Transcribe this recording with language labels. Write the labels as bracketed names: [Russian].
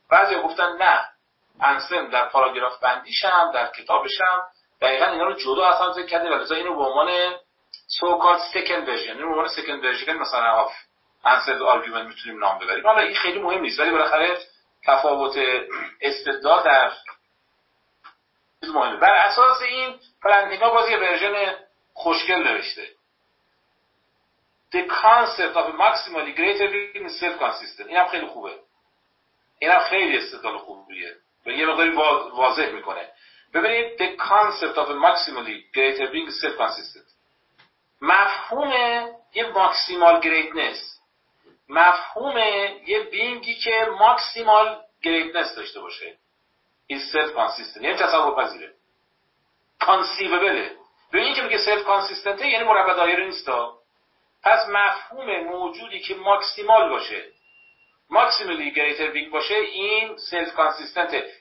[Persian] بعضی ها گفتن نه، انسلم در پاراگراف بندیشم در کتابشم دقیقا اینا رو جدا اصلا ذکر کرده، ولی اینو به عنوان سو کالد سکند ورژن، اینو به عنوان سکند ورژن مثلا آف انسلم آرگومنت میتونیم نام ببریم. حالا این خیلی مهم نیست، ولی بالاخره تفاوت استدلال در چیز مهمه. بر اساس این پلانتینگا بازی ورژن خوشگل نوشته. [English] The concept of maximally greater being is self-consistent. [Persian] اینم خیلی خوبه. اینم خیلی استدلال خوبیه. و یه مقداری واضح میکنه. ببینید [English] the concept of maximally greater being is self-consistent. [Persian] مفهوم یه maximal greatness. مفهوم یه بینگی که maximal greatness داشته باشه. [English] is self-consistent. [Persian] یعنی تصور پذیره. conceivable. به این که میگه سلف کانسیستنته یعنی مربع دایره نیستا. پس مفهوم موجودی که ماکسیمال باشه، ماکسیمالی گریتر بینگ باشه، این سلف کانسیستنته.